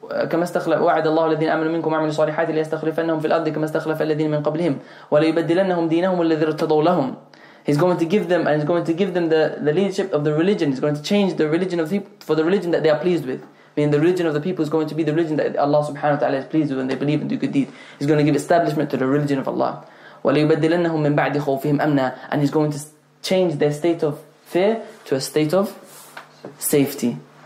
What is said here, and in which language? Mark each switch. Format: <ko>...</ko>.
<ar>كما استخلف وعد الله الذين آمنوا منكم وعملوا الصالحات ليستخلفنهم في الأرض كما استخلف الذين من قبلهم ولا يبدلنهم دينهم الذي ارتضوا لهم.</ar> <en>He's going to give them, and he's going to give them the leadership of the religion. He's going to change the religion of the people for the religion that they are pleased with. Meaning the religion of the people is going to be the religion that Allah subhanahu wa ta'ala is pleased with, and they believe and do good deeds. He's going to give establishment to the religion of Allah.</en> <ar>ولا يبدلنهم من بعد خوفهم أمنا.</ar> <en>And he's going to change their state of fear to a state of safety.</en>